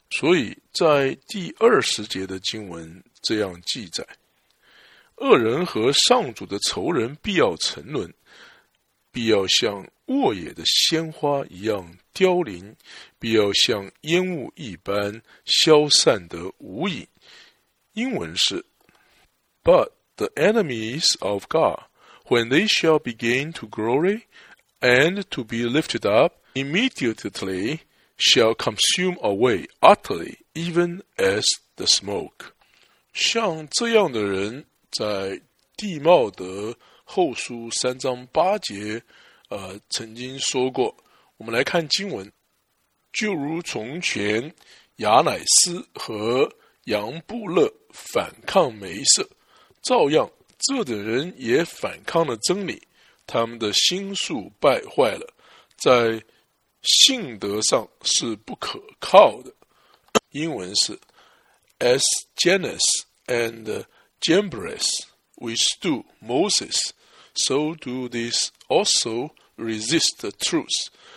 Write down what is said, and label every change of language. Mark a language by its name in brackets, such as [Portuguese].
[Chinese] 所以在第20节的经文这样记载，恶人和上主的仇人必要沉沦，必要像沃野的鲜花一样凋零，必要像烟雾一般消散得无影。英文是 [English] But the enemies of God, when they shall begin to glory and to be lifted up, immediately shall consume away utterly, even as the smoke. [Chinese] 像这样的人在地茂德后书三章八节曾经说过。我们来看经文，就如从前亚乃斯和杨布勒反抗梅瑟，照样这等人也反抗了真理，他们的心术败坏了，在性德上是不可靠的。英文是 [English] As Janus and Jambres withstood Moses, so do these also resist the truth.